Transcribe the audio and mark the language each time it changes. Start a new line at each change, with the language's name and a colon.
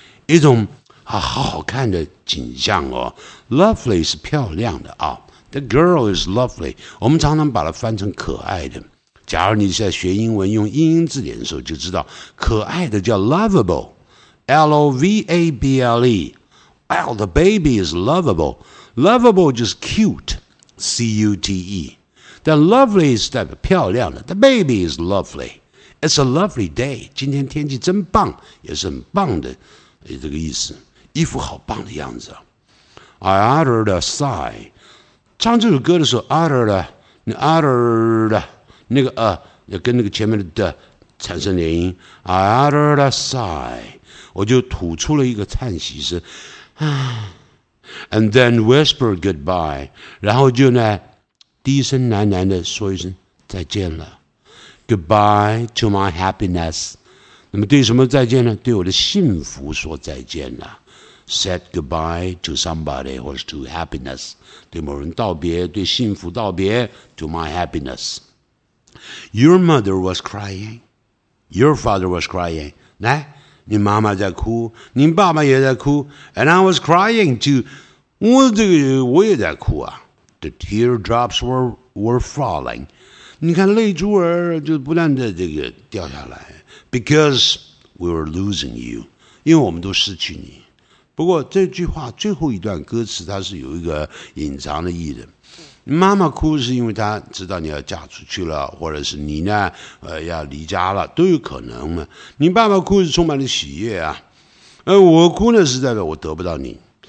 Chinese: 一种啊，好好看的景象哦 ，lovely 是漂亮的啊 ，
English: the girl is lovely。
Chinese: 我们常常把它翻成可爱的。假如你在学英文用英英字典的时候，就知道可爱的叫 lovable，l o v a b l e。
English: Well, the baby is lovable。
Chinese: Lovable 就是 cute，c u t e。但 lovely 是代表漂亮的 ，
English: the baby is lovely。 It's a lovely day。
Chinese: 今天天气真棒，也是很棒的。这个意思，一副好棒的样子。
English: I uttered a sigh，
Chinese: 唱这首歌的时候 uttered 那个跟那个前面的 the 产生连音。
English: I uttered a sigh，
Chinese: 我就吐出了一个叹息声，啊 ，
English: and then whispered goodbye，
Chinese: 然后就呢低声喃喃的说一声再见了 ，
English: goodbye to my happiness。
Chinese: 那么对什么再见呢？对我的幸福说再见了。
English: Said goodbye to somebody or to happiness，
Chinese: 对某人道别，对幸福道别。
English: To my happiness， Your mother was crying， Your father was crying，
Chinese: 来，你妈妈在哭，你爸爸也在哭，
English: And I was crying too，
Chinese: 我也在哭啊。
English: The teardrops were falling，
Chinese: 你看泪珠儿就不断的这个掉下来。
English: Because we were losing you，
Chinese: 因为我们都失去你。不过这句话最后一段歌词它是有一个隐藏的意义的。妈妈哭是因为她知道你要嫁出去了，或者是你呢要离家了，都有可能嘛。你爸爸哭是充满了喜悦啊，我哭呢是代表我得不到你。